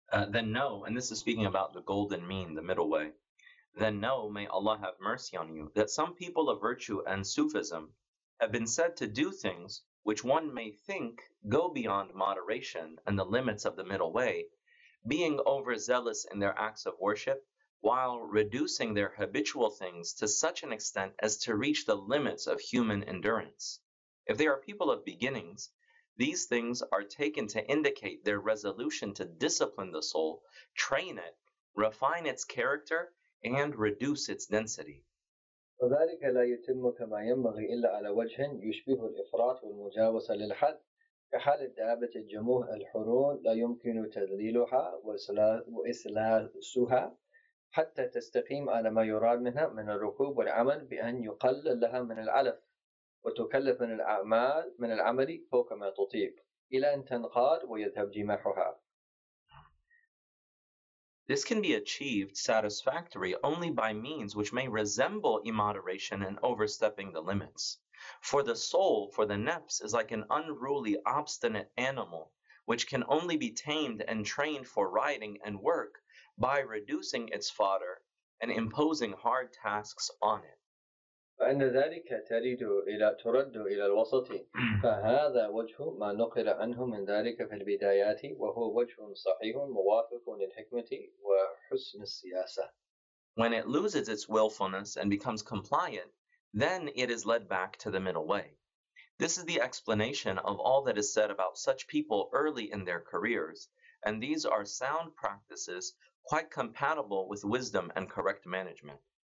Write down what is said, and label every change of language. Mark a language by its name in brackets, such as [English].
[English] Then know, and this is speaking about the golden mean, the middle way, then know, may Allah have mercy on you, that some people of virtue and Sufism have been said to do things which one may think go beyond moderation and the limits of the middle way, being overzealous in their acts of worship, while reducing their habitual things to such an extent as to reach the limits of human endurance. If they are people of beginnings, these things are taken to indicate their resolution to discipline the soul, train it, refine its character, and reduce its density. [Arabic] وذلك لا يتم كما ينبغي إلا على وجه يشبه الإفراط والمجاوزة للحد كحال الدابة الجموح الحرون لا يمكن تدليلها وإسلاسها حتى تستقيم على ما يراد منها من الركوب والعمل بأن يقلل لها من العلف وتكلف من الأعمال من العمل فوق ما تطيق إلى أن تنقاد ويذهب جماحها. [English] This can be achieved satisfactory only by means which may resemble immoderation and overstepping the limits. For the soul, for the nafs, is like an unruly, obstinate animal, which can only be tamed and trained for riding and work by reducing its fodder and imposing hard tasks on it. [Arabic] فإن ذلك ترد إلى الوسط فهذا وجه ما نقل عنه من ذلك في البدايات وهو وجه صحيح موافق للحكمة وحسن السياسة. [English] When it loses its willfulness and becomes compliant, then it is led back to the middle way. This is the explanation of all that is said about such people early in their careers, and these are sound practices quite compatible with wisdom and correct management.